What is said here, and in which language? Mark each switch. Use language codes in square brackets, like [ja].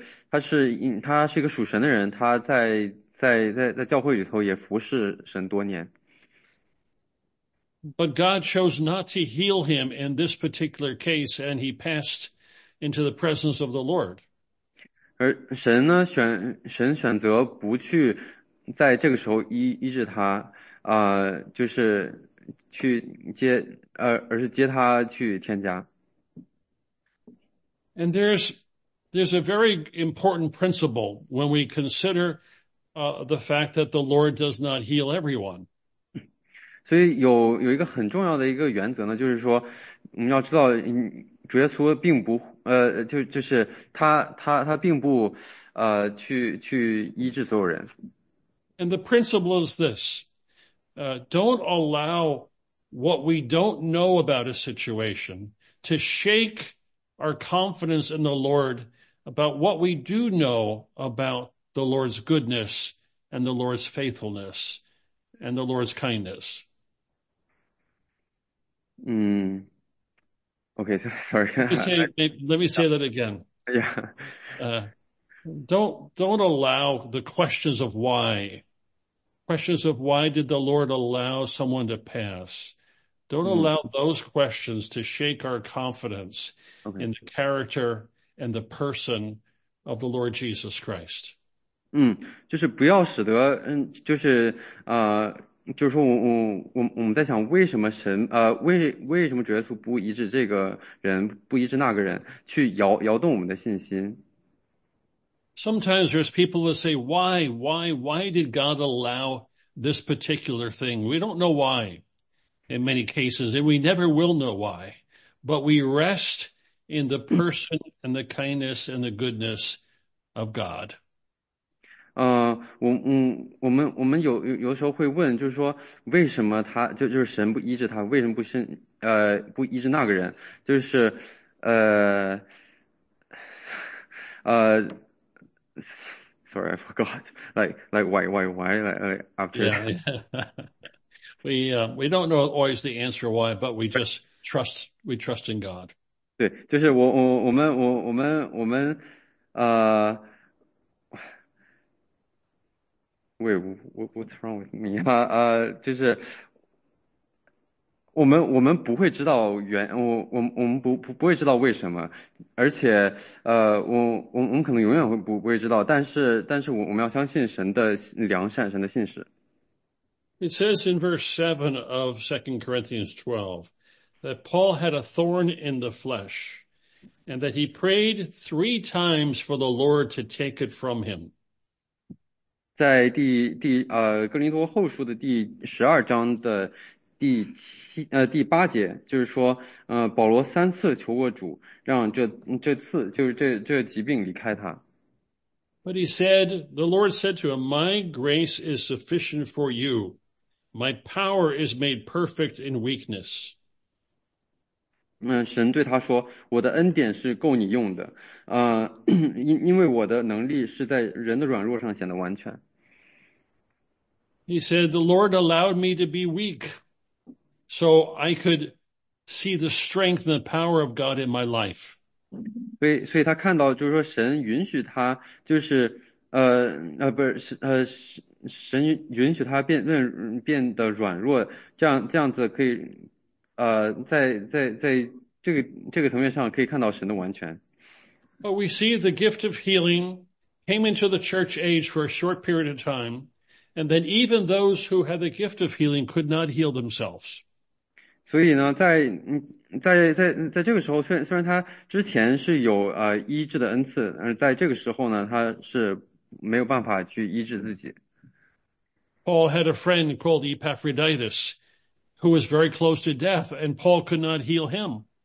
[zh] 他是一个属神的人，他在教会里头也服侍神多年。 [en] But God chose not to heal him in this particular case, and he passed into the presence of the Lord. [zh] 而神呢，神选择不去在这个时候医治他，就是去接，而是接他去添加。 [en] And there's a very important principle when we consider the fact that the Lord does not heal everyone. [zh] 所以有一个很重要的一个原则呢，就是说，你要知道，主耶稣并不，就是他并不，去医治所有人。 [en] And the principle is this, don't allow what we don't know about a situation to shake our confidence in the Lord about what we do know about the Lord's goodness and the Lord's faithfulness and the Lord's kindness. OK，sorry， Let me say that again. Don't allow the questions of why. Questions of why did the Lord allow someone to pass? Don't allow those questions to shake our confidence in the character and the person of the Lord Jesus Christ. [zh] 就是不要使得，就是就是说我们在想，为什么神为什么主耶稣不医治这个人，不医治那个人，去摇动我们的信心？ [en] Sometimes there's people that say, why did God allow this particular thing? We don't know why in many cases, and we never will know why, but we rest in the person and the kindness and the goodness of God. [zh] 我们有时候会问，就是说为什么他就是神不医治他，为什么不医治那个人？就是， [en] sorry, I forgot. Like why after that? We don't know always the answer why, but we trust in God. [zh] 对，就是我们。 [en] Wait, what's wrong with me? [zh] 就是我们不会知道我们不会知道为什么，而且我们可能永远会不会知道，但是我们要相信神的良善，神的信实。 [en] It says in verse 7 of 2 Corinthians 12 that Paul had a thorn in the flesh and that he prayed three times for the Lord to take it from him. [zh] 在《哥林多后书》的第12章的第8节，就是说，保罗三次求过主，让这次就是这疾病离开他。 [en] But he said, the Lord said to him, My grace is sufficient for you. My power is made perfect in weakness. [zh] 神对他说：“我的恩典是够你用的，因为我的能力是在人的软弱上显得完全。” [en] He said, The Lord allowed me to be weak so I could see the strength and the power of God in my life. [zh] 所以他看到，就是说，神允许他，就是，不是，神允许他变得软弱，这样子可以，在这个层面上可以看到神的完全。 [en] But we see the gift of healing came into the church age for a short period of time, and then even those who had the gift of healing could not heal themselves. [zh] 所以呢，在这个时候，虽然他之前是有医治的恩赐，而在这个时候呢，他是没有办法去医治自己。 [en] Paul had a friend called Epaphroditus who was very close to death, and Paul could not heal him.